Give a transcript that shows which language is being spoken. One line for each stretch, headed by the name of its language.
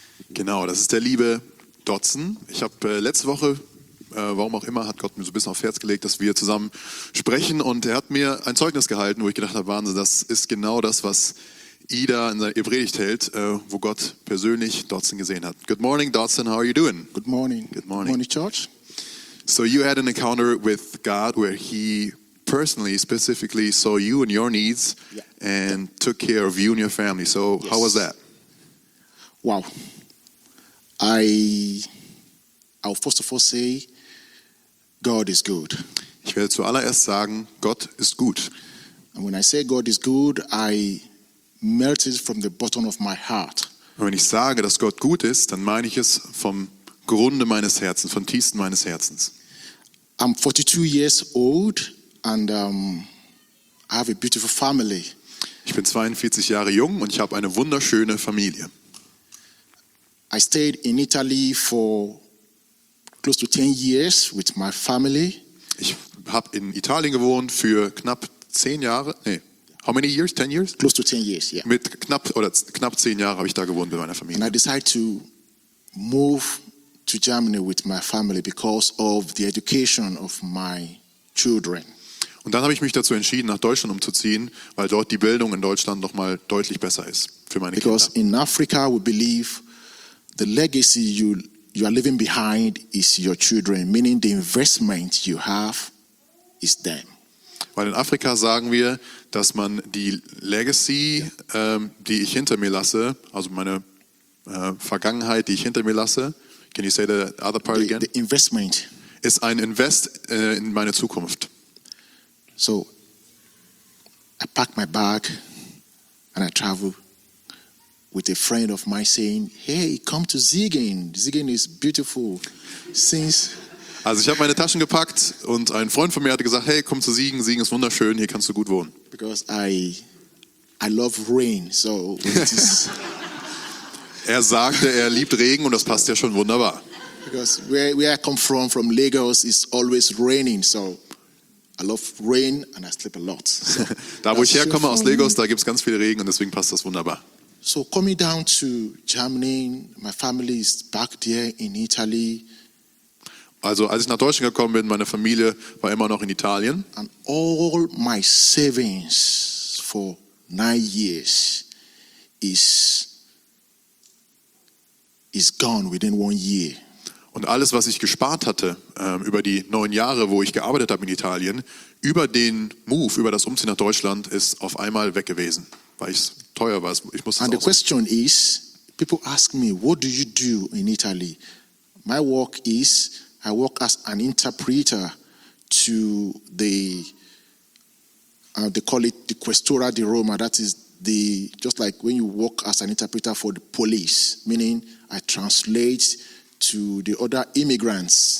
German: Genau, das ist der liebe Dotzen. Ich habe letzte Woche, warum auch immer, hat Gott mir so ein bisschen aufs Herz gelegt, dass wir zusammen sprechen und er hat mir ein Zeugnis gehalten, wo ich gedacht habe, Wahnsinn, das ist genau das, was Ida in seiner Predigt hält, wo Gott persönlich Dotson gesehen hat.
English: Good morning, Dotson, how are you doing? Good morning. Good morning. Morning, George. So you had an encounter with God where he personally, specifically saw you and your needs and took care of you and your family. So yes. How was that? Wow. I'll first of all say, God is good.
German: Ich werde zuallererst sagen, Gott ist gut.
English: And when I say God is good, I melt it from the bottom of my heart.
German: Und wenn ich sage, dass Gott gut ist, dann meine ich es vom Grunde meines Herzens, vom tiefsten meines Herzens.
English: I'm 42 years old and I have a beautiful family.
German: Ich bin 42 Jahre jung und ich habe eine wunderschöne Familie.
English: I stayed in Italy for close to 10 years with my family.
German: Ich habe in Italien gewohnt für knapp 10 Jahre.
English: How many years? 10 years? Close to 10 years, yeah.
German: Mit knapp 10 Jahre habe ich da gewohnt mit meiner Familie.
English: And I decided to move to Germany with my family because of the education of my children.
German: Und dann habe ich mich dazu entschieden, nach Deutschland umzuziehen, weil dort die Bildung in Deutschland noch mal deutlich besser ist für meine
English: because
German: Kinder.
English: Because in Africa we believe the legacy you are leaving behind is your children, meaning the investment you have is them.
German: Weil in Afrika sagen wir, dass man die Legacy, die ich hinter mir lasse, also meine Vergangenheit, die ich hinter mir lasse,
English: can you say the other part again? The investment.
German: Ist ein Invest in meine Zukunft.
English: So, I pack my bag and I travel with a friend of mine saying, hey, come to Siegen. Siegen is beautiful. Since
German: Also ich habe meine Taschen gepackt und ein Freund von mir hatte gesagt, hey, komm zu Siegen. Siegen ist wunderschön, hier kannst du gut wohnen.
English: Because I love rain, so it is.
German: Er sagte, er liebt Regen und das passt ja schon wunderbar.
English: Because where I come from Lagos, it's always raining, so I love rain and I sleep a lot. So,
German: da wo ich herkomme aus Lagos, da gibt's ganz viel Regen und deswegen passt das wunderbar.
English: So coming down to Germany, my family is back there in Italy.
German: Also als ich nach Deutschland gekommen bin, meine Familie war immer noch in Italien.
English: And all my savings for 9 years is gone within 1 year.
German: Und alles, was ich gespart hatte über die 9 Jahre, wo ich gearbeitet habe in Italien, über den Move, über das Umziehen nach Deutschland, ist auf einmal weg gewesen, weil es teuer war. Ich musste
English: And the question is, people ask me, what do you do in Italy? My work is, I work as an interpreter to they call it the Questura di Roma. That is the, just like when you work as an interpreter for the police, meaning I translate to the other immigrants.